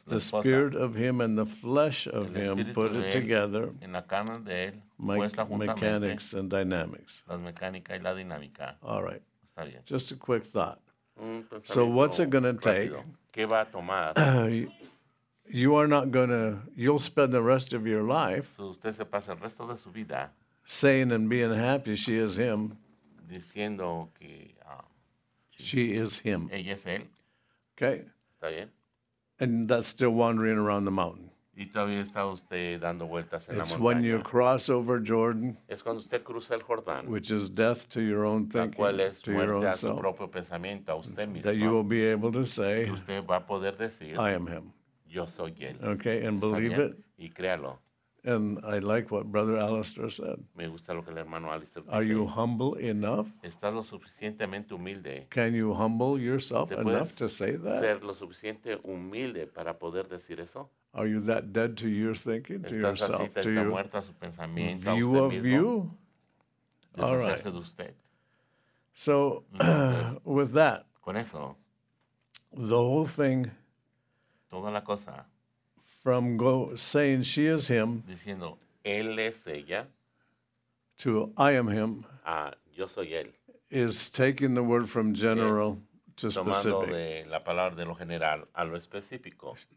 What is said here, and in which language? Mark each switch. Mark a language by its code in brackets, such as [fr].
[en] The spirit of him and the flesh of him put it together. [es] En la carne de él, puesta juntamente, [en] mechanics and dynamics. [es] Las mecánicas y la dinámica. [en] All right. [es] Está bien. [en] Just a quick thought. So what's it going to take? [es] ¿Qué va a tomar? [en] You are not going to, you'll spend the rest of your life [es] usted se pasa el resto de su vida [en] saying and being happy she is him. [es] Diciendo que, [en] she is him. [es] Ella es él. [en] Okay. [es] Está bien. [en] And that's still wandering around the mountain. [es] Y todavía está usted dando vueltas en [en] it's [es] la montaña. [en] When you cross over Jordan, [es] es cuando usted cruza el Jordán, [en] which is death to your own thinking, [es] cual es [en] to your own [es] a su [en] self, [es] propio pensamiento, a usted mismo, [en] that you will be able to say, [es] usted va a poder decir, [en] I am him. [es] Yo soy él. [en] Okay, and believe it. [es] Y créalo. [en] And I like what Brother Alistair said. [es] Me gusta lo que el hermano Alistair dice. [en] Are you humble enough? [es] ¿Estás lo suficientemente humilde? [en] Can you humble yourself enough to say that? [es] ¿Ser lo suficiente humilde para poder decir eso? [en] Are you that dead to your thinking, to yourself, [es] así, [en] to your [es] muerto a su pensamiento, [en] view [es] a usted [en] of [es] mismo? [en] You? All right. [es] De usted. [en] So, entonces, with that, [es] con eso, [en] the whole thing [es] toda la cosa. [en] From go saying she is him [es] diciendo, él es ella, [en] to I am him [es] a, Yo soy él. [en] Is taking the word from general to specific. [es] Tomando de la palabra de lo general a lo específico.